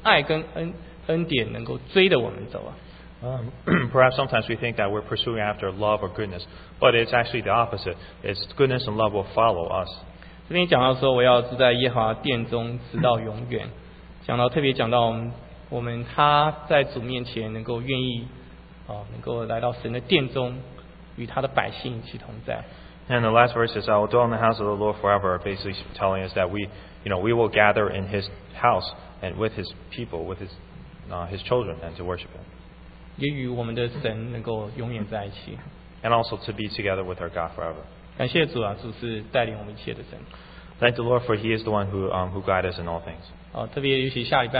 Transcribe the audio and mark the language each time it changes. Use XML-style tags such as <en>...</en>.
<zh>这边好像讲到说，我们这一生好像都是追求爱，我们一生能追求恩典。可是呢，我们从第六节看，好像反过来，是爱跟恩典能够追着我们走啊。</zh> <en>Perhaps sometimes we think that we're pursuing after love or goodness, but it's actually the opposite. It's goodness and love will follow us.</en> <zh>这边讲到说，我要住在耶和华殿中，直到永远。讲到特别讲到我们他在主面前能够愿意，能够来到神的殿中，与他的百姓一起同在。</zh> <en>And the last verse is, I will dwell in the house of the Lord forever, basically telling us that we, you know, we will gather in His house and with His people, with His children, and to worship Him.</en> <zh>也与我们的神能够永远在一起。</zh> <en>And also to be together with our God forever.</en> <zh>感谢主啊，主是带领我们一切的神。</zh> <en>Thank the Lord, for He is the one who guides us in all things.</en>